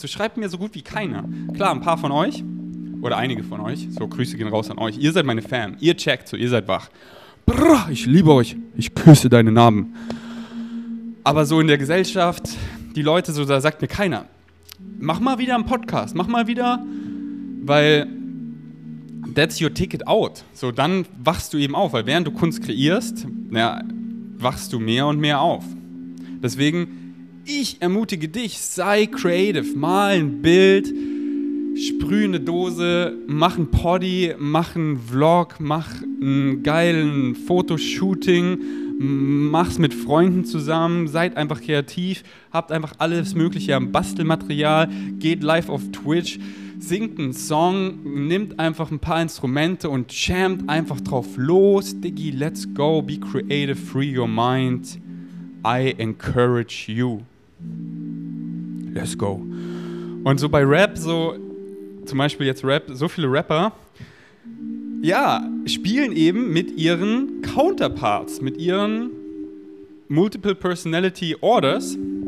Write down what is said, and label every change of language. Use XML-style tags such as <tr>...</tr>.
<de>So schreibt mir so gut wie keiner. Klar, ein paar von euch oder einige von euch. So, Grüße gehen raus an euch. Ihr seid meine Fam. Ihr checkt so, ihr seid wach. Brr, ich liebe euch. Ich küsse deine Narben. Aber so in der Gesellschaft, die Leute, so, da sagt mir keiner. Mach mal wieder einen Podcast. Mach mal wieder, weil</de> <en>that's your ticket out.</en> <de>So, dann wachst du eben auf. Weil während du Kunst kreierst, na, wachst du mehr und mehr auf. Deswegen, ich ermutige dich, sei creative, mal ein Bild, sprüh eine Dose, mach ein Poddy, mach einen Vlog, mach einen geilen Fotoshooting, mach's mit Freunden zusammen, seid einfach kreativ, habt einfach alles Mögliche am Bastelmaterial, geht live auf Twitch, singt einen Song, nimmt einfach ein paar Instrumente und jammt einfach drauf los.</de> <en>Diggi, let's go, be creative, free your mind. I encourage you. Let's go.</en> <de>Und so bei Rap, so zum Beispiel jetzt Rap, so viele Rapper, ja, spielen eben mit ihren Counterparts, mit ihren Multiple Personality Orders.</de>